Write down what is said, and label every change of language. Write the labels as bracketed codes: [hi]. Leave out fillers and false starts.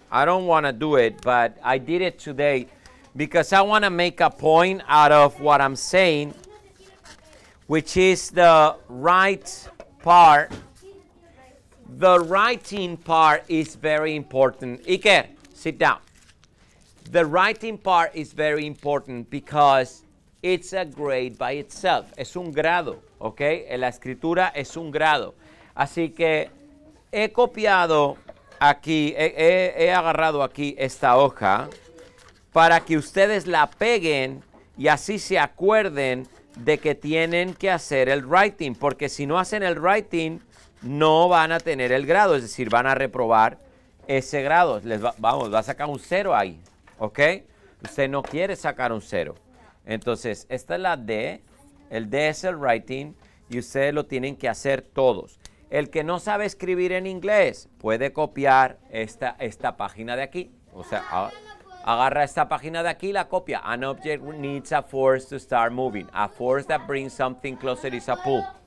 [en] I don't want to do it, but I did it today because I want to make a point out of what I'm saying, which is the right part. The writing part is very important. Iker, sit down. The writing part is very important because it's a grade by itself. [es] Es un grado, ¿ok? La escritura es un grado. Así que he copiado aquí, he agarrado aquí esta hoja para que ustedes la peguen y así se acuerden de que tienen que hacer el writing, porque si no hacen el writing, no van a tener el grado, es decir, van a reprobar ese grado. Les va, vamos, va a sacar un cero ahí, ¿ok? Usted no quiere sacar un cero. Entonces, esta es la D, el D es el writing, y ustedes lo tienen que hacer todos. El que no sabe escribir en inglés, puede copiar esta página de aquí. O sea, agarra esta página de aquí y la copia. [en] An object needs a force to start moving. A force that brings something closer is a pull.